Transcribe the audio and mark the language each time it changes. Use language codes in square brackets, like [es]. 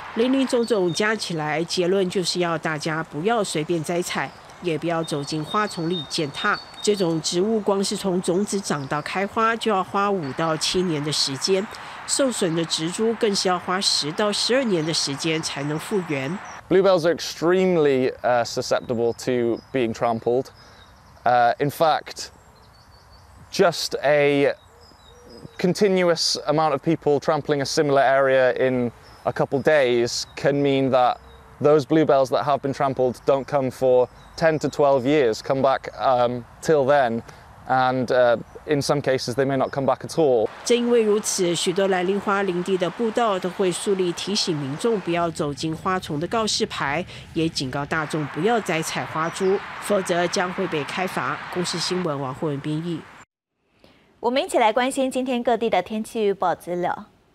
[zh] 林林种种加起来，结论就是要大家不要随便摘采，也不要走进花丛里践踏。这种植物光是从种子长到开花就要花5到7年的时间，受损的植株更是要花10到12年的时间才能复原。 [en] Bluebells are extremely susceptible to being trampled. In fact, just a continuous amount of people trampling a similar area in a couple days can mean that those bluebells that have been trampled don't come for 10 to 12 years, come back till then. And in some cases, they may not come back at all. [zh] 正因为如此，许多蓝铃花林地的步道都会树立提醒民众不要走进花丛的告示牌，也警告大众不要摘采花株，否则将会被开罚。公视新闻王慧文编译。我们一起来关心今天各地的天气预报资料。